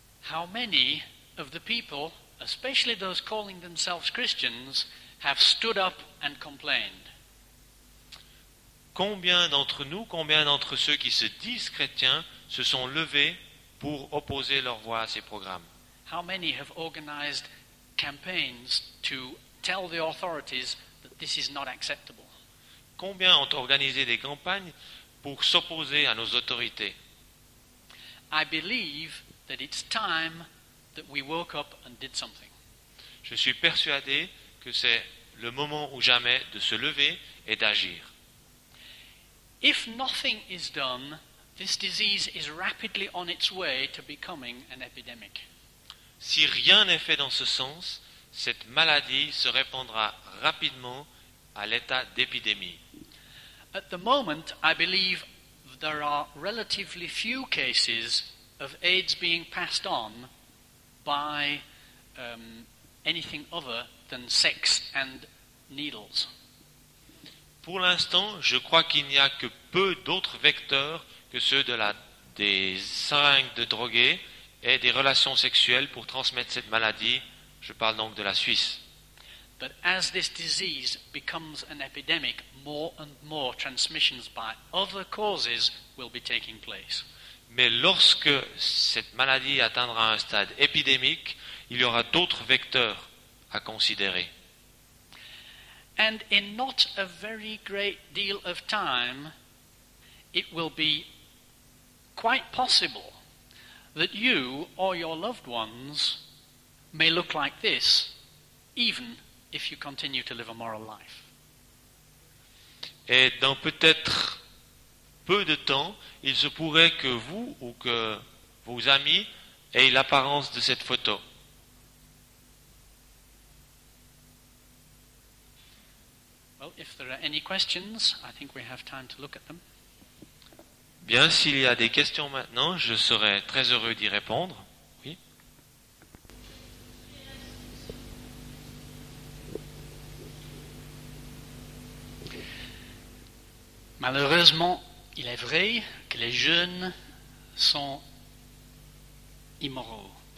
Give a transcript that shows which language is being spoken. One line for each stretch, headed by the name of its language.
English: How many of the people, especially those calling themselves Christians, have stood up and complained?
French: Combien d'entre nous, combien d'entre ceux qui se disent chrétiens, se sont levés pour opposer leur voix à ces programmes?
English: How many have organized campaigns to tell the authorities that this is not acceptable?
French: Combien ont organisé des campagnes pour s'opposer à nos autorités?
English: I believe that it's time that we woke up and did something.
French: Je suis persuadé que c'est le moment ou jamais de se lever et d'agir.
English: If nothing is done, this disease is rapidly on its way to becoming an epidemic.
French: Si rien n'est fait dans ce sens, cette maladie se répandra rapidement à l'état d'épidémie.
English: At the moment, I believe there are relatively few cases of AIDS being passed on by anything other than sex and needles.
French: Pour l'instant, je crois qu'il n'y a que peu d'autres vecteurs que ceux de des seringues de drogués et des relations sexuelles pour transmettre cette maladie. Je parle donc de la Suisse.
English: But as this disease becomes an epidemic, more and more transmissions by other causes will be taking place.
French: Mais lorsque cette maladie atteindra un stade épidémique, il y aura d'autres vecteurs à considérer.
English: And in not a very great deal of time, it will be quite possible that you or your loved ones may look like this, even if you continue to live a moral life.
French: Et dans peut-être peu de temps, il se pourrait que vous ou que vos amis aient l'apparence de cette photo.
English: Well, if there are any questions, I think we have time to look at them.
French: Bien, s'il y a des questions maintenant, je serai très heureux d'y répondre. Oui. Malheureusement, il est vrai que les jeunes sont immoraux.